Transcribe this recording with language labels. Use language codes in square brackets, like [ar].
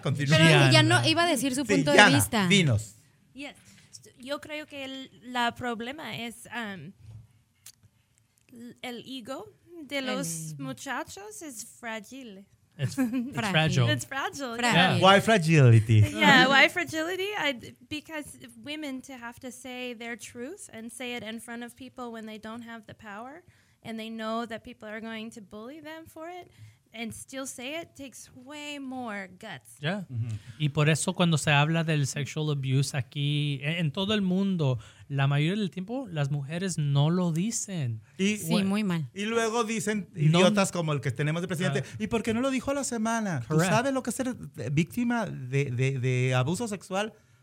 [es] Continúa. Pero ya no iba a decir su punto Diana, de vista. Dinos. [en] Yes. [es] Yo creo que el problema es el ego de los muchachos es frágil. [en] It's fragile. Why fragility? Yeah, why fragility? Because women to have to say their truth and say it in front of people when they don't have the power and they know that people are going to bully them for it. And still say it takes way more guts. Yeah. Mm-hmm. [es] Y por eso cuando se habla del [en] sexual abuse [es] aquí, en todo el mundo, la mayoría del tiempo las mujeres no lo dicen. Muy mal. Y luego dicen idiotas como el que tenemos de presidente. ¿Y por qué no lo dijo a la semana? [en] Correct. [es] ¿Tú sabes lo que es ser víctima de abuso sexual?